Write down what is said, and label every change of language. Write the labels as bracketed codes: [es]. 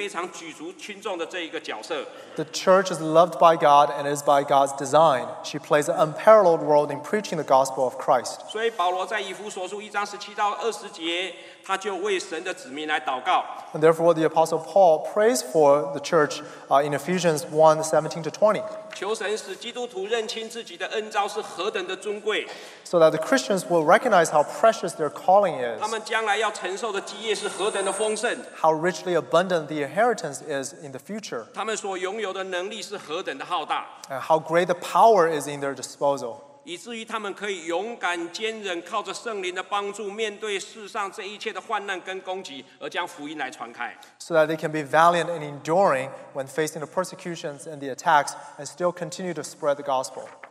[zh] 那教会是主所建立的，他所宝贵的，在基督救恩福音传扬上面的这一个托付跟责任，是扮演非常举足轻重的这一个角色。 [en] The church is loved by God and is by God's design. She plays an unparalleled role in preaching the gospel of Christ. [zh] 所以保罗在以弗所书1章17到20节，他就为神的子民来祷告。 [en] And therefore, the apostle Paul prays for the church in Ephesians 1:17-20. [zh] 求神使基督徒认清自己的恩召是何等的尊贵。 [en] So that the Christians will recognize how precious their calling is. [zh] 他们将来要承受的基业是何等的丰盛。 [en] How richly abundant the inheritance is in the future. [zh] 他们所拥有的能力是何等的浩大。 [en] And how great the power is in their disposal. [zh] 以至于他们可以勇敢坚忍，靠着圣灵的帮助，面对世上这一切的患难跟攻击，而将福音来传开。 [en] So that they can be valiant and enduring when facing the persecutions and the attacks, and still continue to spread the gospel.